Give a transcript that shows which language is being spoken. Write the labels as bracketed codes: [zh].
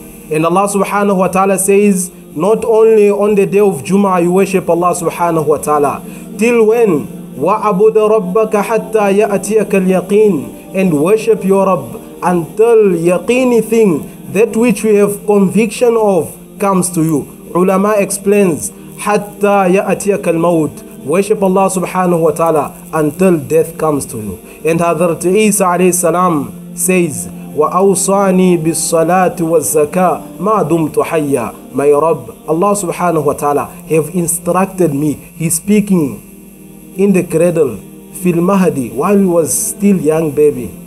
[en] And Allah subhanahu wa ta'ala says, not only on the day of Jum'ah you worship Allah subhanahu wa ta'ala. Till when? [ar] وَعَبُدَ رَبَّكَ حَتَّى يَأْتِيَكَ الْيَقِينَ. [en] And worship your Rabb until yaqini thing, that which we have conviction of, comes to you. Ulama explains, [ar] حَتَّى يَأْتِيَكَ الْمَوْتِ. [en] Worship Allah subhanahu wa ta'ala until death comes to you. And Hazrat Isa alayhi salam says, [ar] وَأَوْصَانِي بِالصَّلَاةِ وَالزَّكَاةِ مَا دُمْتُ حَيَّا. [en] My Rabb, Allah subhanahu wa ta'ala, have instructed me. He's speaking in the cradle, [ar] fil mahdi, [en] while he was still young baby.